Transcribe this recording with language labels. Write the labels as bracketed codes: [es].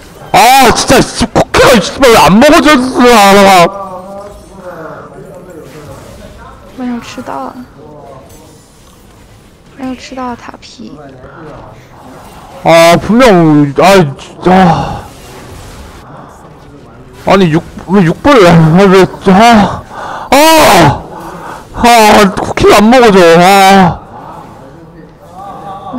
[ko] 아 진짜 코케가 이씨발 안 먹어졌어 아 [zh] 没有吃到没有吃到塔皮 [ko] 아 분명 아 진짜 아니 왜 육벌을 왜 했지 아 코케가 안 먹어져 아